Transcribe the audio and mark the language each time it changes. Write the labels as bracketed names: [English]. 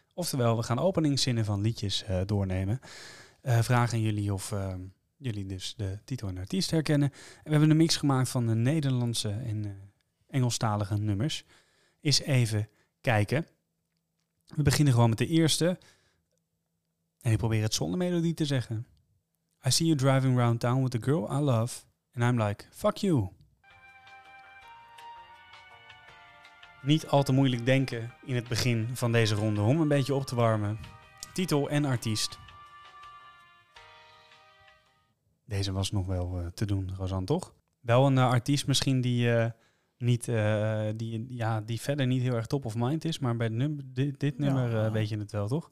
[Dutch] Oftewel, we gaan openingszinnen van liedjes doornemen. Vragen jullie of jullie dus de titel en artiest herkennen. We hebben een mix gemaakt van de Nederlandse en Engelstalige nummers. Eens even kijken. We beginnen gewoon met de eerste. En ik probeer het zonder melodie te zeggen. [English] I see you driving around town with a girl I love, and I'm like, fuck you. [Dutch] niet al te moeilijk denken in het begin van deze ronde om een beetje op te warmen. Titel en artiest. Deze was nog wel te doen, Rozan, toch? Wel een artiest misschien die die verder niet heel erg top of mind is, maar bij dit nummer weet je het wel, toch?